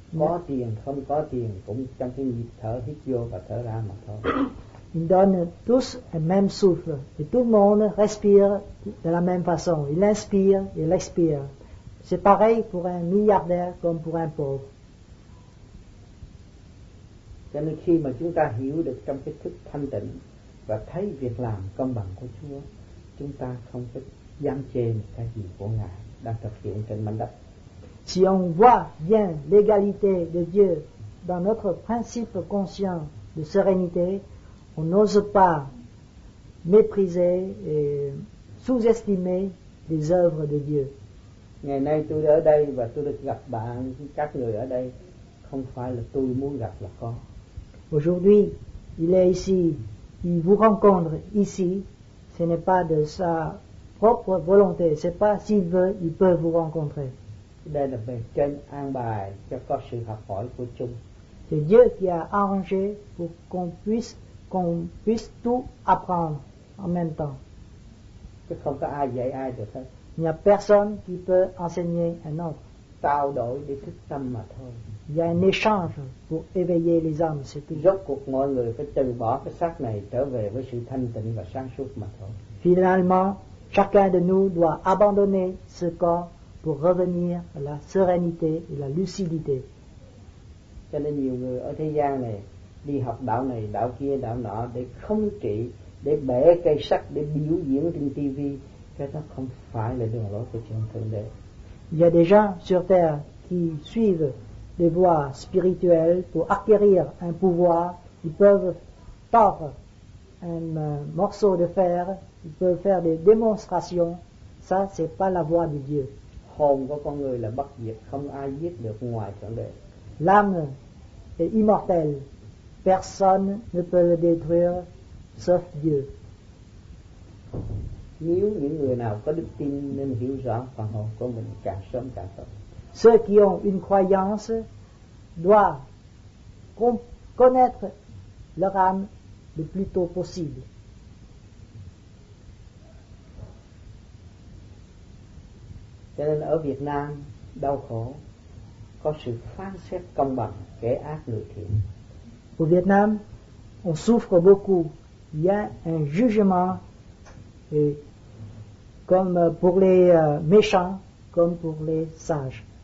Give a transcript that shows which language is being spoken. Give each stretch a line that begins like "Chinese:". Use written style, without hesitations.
Vietnamese: Có tiền không có tiền cũng trong cái nhịp thở hít vô và thở ra mà thôi.
French: Il donne tous un même souffle et tout le monde respire de la même façon. Il inspire et il expire. C'est pareil pour un milliardaire comme pour un pauvre.
Vietnamese: Cho nên khi mà chúng ta hiểu được trong cái thức thanh tịnh và thấy việc làm công bằng của Chúa, chúng ta không thích dám chê một cái gì của Ngài đang thực hiện trên mảnh đất.
French: Si on voit bien l'égalité de Dieu dans notre principe conscient de sérénité, on n'ose pas mépriser et sous-estimer les œuvres de Dieu.
Vietnamese: Ngày nay tôi ở đây và tôi được gặp bạn, các người ở đây, không phải là tôi muốn gặp là có.
French: Aujourd'hui, il est ici, il vous rencontre ici, ce n'est pas de sa propre volonté, c'est pas s'il veut, il peut vous rencontrer.
Vietnamese: Đây là bề trên an bài cho có sự học hỏi của chúng.
French: C'est Dieu qui a arrangé pour qu'on puisse tout apprendre en même temps.
Vietnamese: Chứ không có ai dạy ai được hết.
French: Il n'y a personne qui peut enseigner un autre.
Vietnamese: Trao đổi để thức tâm mà thôi.
French: Il y a un échange pour éveiller les âmes, c'est tout.
Vietnamese: Rốt cuộc mọi người phải từ bỏ cái xác này trở về với sự thanh tịnh và sáng suốt mà thôi.
French: Finalement, chacun de nous doit abandonner ce corps pour revenir à la sérénité et la lucidité.
Vietnamese: Cho nên nhiều người ở thế gian này đi học đạo này, đạo kia, đạo nọ để không trị, để bẻ cây sắt, để biểu diễn trên TV, cái đó không phải là đường lối của chân thượng đế.
French: Il y a des gens sur terre qui suivent des voies spirituelles pour acquérir un pouvoir. Ils peuvent tordre un morceau de fer, ils peuvent faire des démonstrations. Ça, c'est pas la voie de Dieu.
Vietnamese: Hồn của con người là bất diệt, không ai giết được ngoài thượng đế.
French: L'âme est immortelle. Personne ne peut le détruire sauf Dieu.
Vietnamese: Nếu những người nào có đức tin nên hiểu rõ phần hồn của mình càng sớm càng tốt.
French: Ceux qui ont une croyance doivent connaître leur âme le plus tôt possible.
Vietnamese: Cho nên ở Việt Nam đau khổ có sự phán xét công bằng kẻ ác người thiện.
French: Au Vietnam, on souffre beaucoup. Il y a un jugement et comme pour les méchants, comme pour les sages.